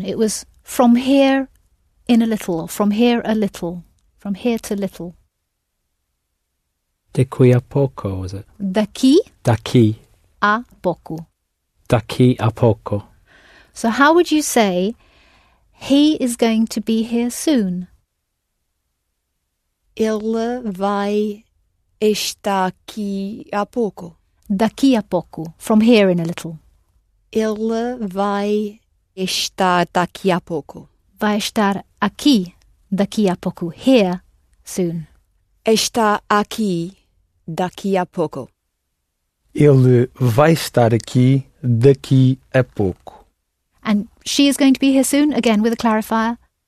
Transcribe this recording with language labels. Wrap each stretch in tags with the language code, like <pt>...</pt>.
<en>It was from here in a little, or from here a little, from here to little.</en> <pt>Daqui a poco,</pt> <en>was it?</en> <pt>Daqui? Daqui. A poco. Daqui a poco.</pt> <en>So how would you say he is going to be here soon?</en> <pt>Ele vai estar aqui a pouco. Daqui a pouco.</pt> <en>From here in a little.</en> <pt>Ele vai estar daqui a pouco. Vai estar aqui daqui a pouco.</pt> <en>Here soon.</en> <pt>Está aqui daqui a pouco. Ele vai estar aqui daqui a pouco.</pt> <en>And she is going to be here soon, again with a clarifier.</en>